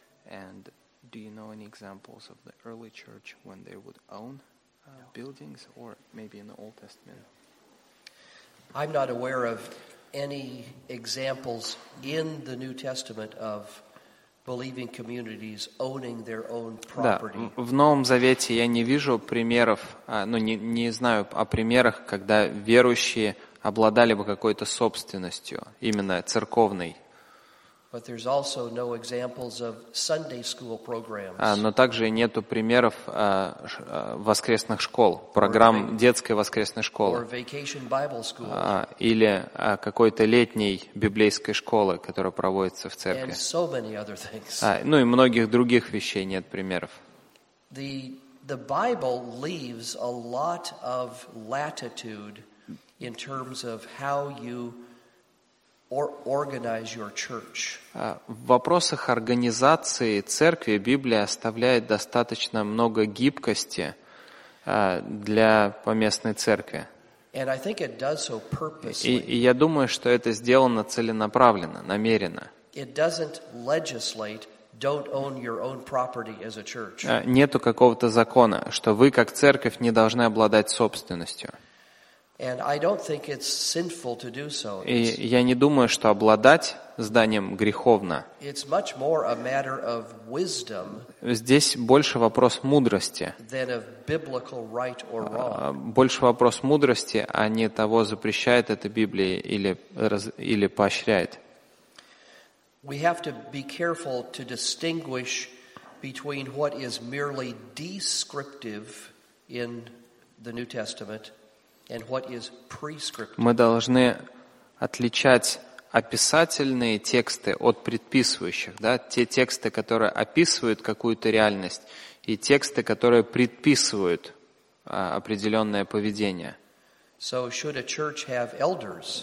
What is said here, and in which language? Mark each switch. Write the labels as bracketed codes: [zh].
[en] And do you know any examples of the early church when they would own buildings, or maybe in the Old Testament? I'm not aware of any examples in the New Testament of believing communities owning their own property. [ru] Да, в Новом Завете я не вижу примеров, ну, не знаю о примерах, когда верующие обладали бы какой-то собственностью, именно церковной. [en] But there's also no examples of Sunday school programs. [ru] Но также нету примеров воскресных школ, программ детской воскресной школы. [en] Or vacation Bible school. [ru] Или какой-то летней библейской школы, которая проводится в церкви. [en] And so many other things. [ru] Ну и многих других вещей нет примеров. [en] The Bible leaves a lot of latitude in terms of how you or organize your church. [ru] В вопросах организации церкви Библия оставляет достаточно много гибкости для поместной церкви. [en] And I think it does so purposely. [ru] И я думаю, что это сделано целенаправленно, намеренно. [en] It doesn't legislate don't own your own property as a church. [ru] Нету какого-то закона, что вы как церковь не должны обладать собственностью. [en] And I don't think it's sinful to do so. [ru] И я не думаю, что обладать зданием греховно. [en] It's much more a matter of wisdom. [ru] Здесь больше вопрос мудрости. [en] Than of biblical right or wrong. [ru] Больше вопрос мудрости, а не того, запрещает это Библия или поощряет. [en] We have to be careful to distinguish between what is merely descriptive in the New Testament. And what is prescriptive? [ru] Мы должны отличать описательные тексты от предписывающих, да, те тексты, которые описывают какую-то реальность, и тексты, которые предписывают определенное поведение. [en] So should a church have elders?